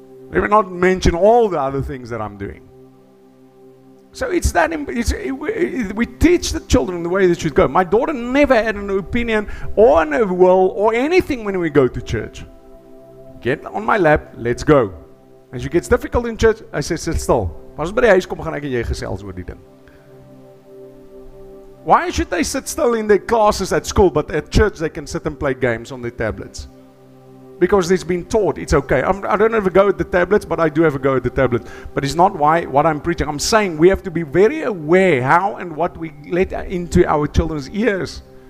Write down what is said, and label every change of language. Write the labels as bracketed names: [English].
[English] Let me not mention all the other things that I'm doing. So it's that, it's, we teach the children the way they should go. My daughter never had an opinion or a will or anything when we go to church. Get on my lap, let's go. As she gets difficult in church, I say, sit still. [Afrikaans] Pas by die huis kom, gaan ek en jy gesels oor die ding. [English] Why should they sit still in their classes at school, but at church they can sit and play games on their tablets? Because it's been taught, it's okay. I don't have a go at the tablets, but I do have a go at the tablets. But it's not why what I'm preaching. I'm saying we have to be very aware how and what we let into our children's ears.